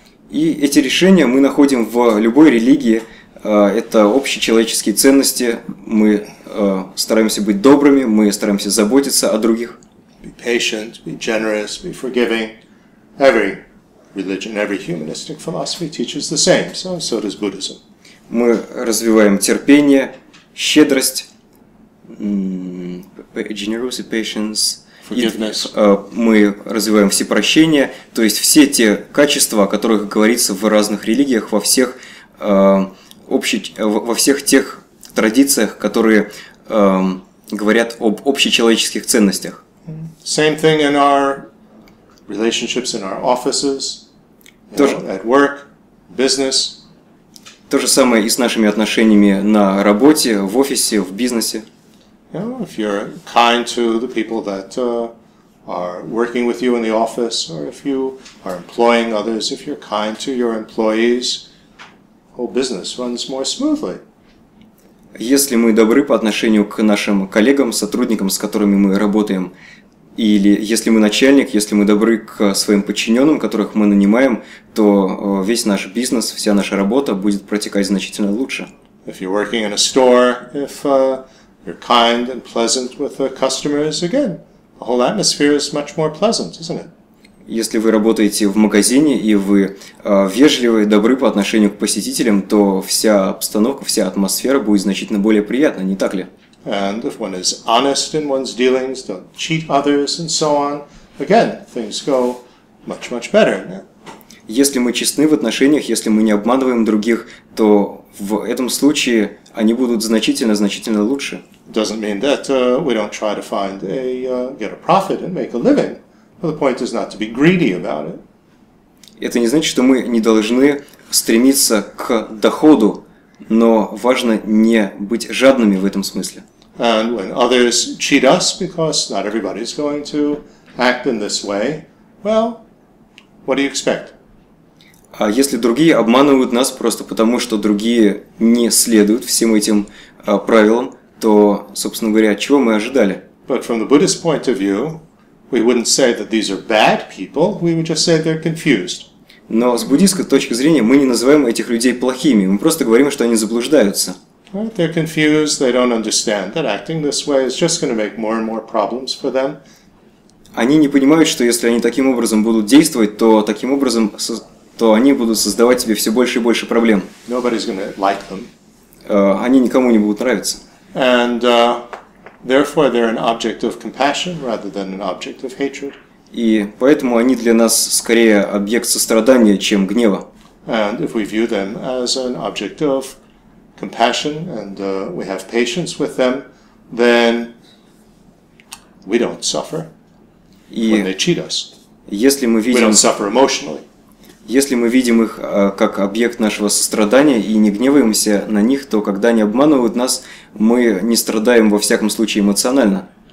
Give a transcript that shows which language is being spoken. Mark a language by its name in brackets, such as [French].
[Russian] И эти решения мы находим в любой религии. Это общечеловеческие ценности. Мы стараемся быть добрыми, мы стараемся заботиться о других. [English] Be patient, be generous, be forgiving. Every religion, every humanistic philosophy teaches the same. So does Buddhism. [Russian] Мы развиваем терпение, щедрость, [English] generosity, patience. Forgiveness. [Russian] Мы развиваем всепрощение, то есть все те качества, о которых говорится в разных религиях, во всех во всех тех традициях, которые говорят об общечеловеческих ценностях. [English] Same thing in our relationships in our offices, at work, business. [Russian] То же самое и с нашими отношениями на работе, в офисе, в бизнесе. [English] You know, if you're kind to the people that are working with you in the office, or if you are employing others, if you're kind to your employees, whole business runs more smoothly. [Russian] Если мы добры по отношению к нашим коллегам, сотрудникам, с которыми мы работаем, или если мы начальник, если мы добры к своим подчиненным, которых мы нанимаем, то весь наш бизнес, вся наша работа будет протекать значительно лучше. [English] If you're working in a store, if you're kind and pleasant with the customers, again, the whole atmosphere is much more pleasant, isn't it? [Russian] Если вы работаете в магазине, и вы вежливы и добры по отношению к посетителям, то вся обстановка, вся атмосфера будет значительно более приятна, не так ли? [English] And if one is honest in one's dealings, don't cheat others, and so on, again, things go much, much better. [Russian] Если мы честны в отношениях, если мы не обманываем других, то в этом случае они будут значительно, значительно лучше. [English] Doesn't mean that we don't try to find a get a profit and make a living. But the point is not to be greedy about it. [Russian] Это не значит, что мы не должны стремиться к доходу, но важно не быть жадными в этом смысле. [English] And when others cheat us because not everybody's going to act in this way, well, what do you expect? [Russian] А если другие обманывают нас просто потому, что другие не следуют всем этим правилам, то, собственно говоря, чего мы ожидали? [English] But from the Buddhist point of view, we wouldn't say that these are bad people, we would just say they're confused. [Russian] Но с буддийской точки зрения мы не называем этих людей плохими, мы просто говорим, что они заблуждаются. [English] Right, they're confused, they don't understand that acting this way is just going to make more and more problems for them. [Russian] Они не понимают, что если они таким образом будут действовать, то таким образом... то они будут создавать себе все больше и больше проблем. [English] Nobody's gonna like them. [Russian] Они никому не будут нравиться. [English] And, therefore they're an object of compassion rather than an object of hatred. [Russian] И поэтому они для нас скорее объект сострадания, чем гнева. [English] And if we view them as an object of compassion and we have patience with them, then we don't suffer when they cheat us. [Russian] Если мы видим... [English] We don't suffer emotionally. [Russian] Если мы видим их как объект нашего сострадания и не гневаемся на них, то когда они обманывают нас, мы не страдаем во всяком случае эмоционально.